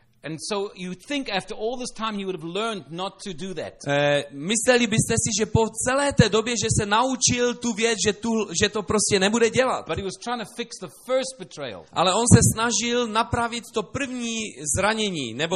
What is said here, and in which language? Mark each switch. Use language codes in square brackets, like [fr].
[en] And so you think after all this time he would have learned not to do that. [cs] Mysleli byste si, že po celé té době, že se naučil tu věc, že to prostě nebude dělat. [en] But he was trying to fix the first betrayal. [cs] Ale on se snažil napravit to první zranění, nebo